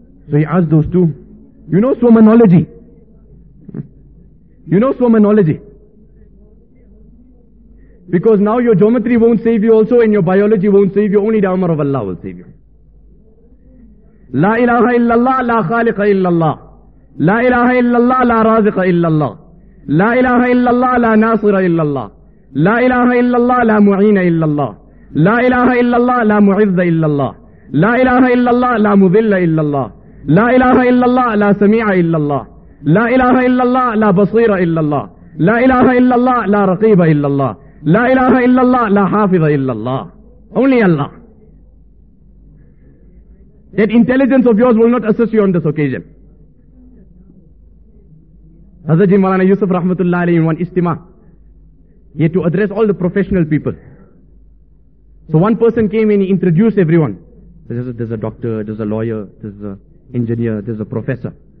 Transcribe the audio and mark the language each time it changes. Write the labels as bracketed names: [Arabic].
[English] So he asked those two, "You know swimmonology? You know swimmonology? Because now your geometry won't save you also, and your biology won't save you. Only the Amr of Allah will save you. [Arabic] لا إله إلا الله لا خالق إلا الله لا إله إلا الله لا رازق إلا الله لا إله إلا الله لا ناصر إلا الله لا إله إلا الله لا معين إلا الله لا إله إلا الله لا معز إلا الله لا إله إلا الله لا مذل إلا الله لا إله إلا الله لا سميع إلا الله لا إله إلا الله لا بصير إلا الله لا إله إلا الله لا رقيب إلا الله لا إله إلا الله لا حافظ إلا الله [English] only Allah. That intelligence of yours will not assist you on this occasion. Hazrat Maulana Yusuf Rahmatullah Alayhi in one istima, he had to address all the professional people. So one person came and he introduced everyone. There's a doctor, there's a lawyer, there's an engineer, there's a professor.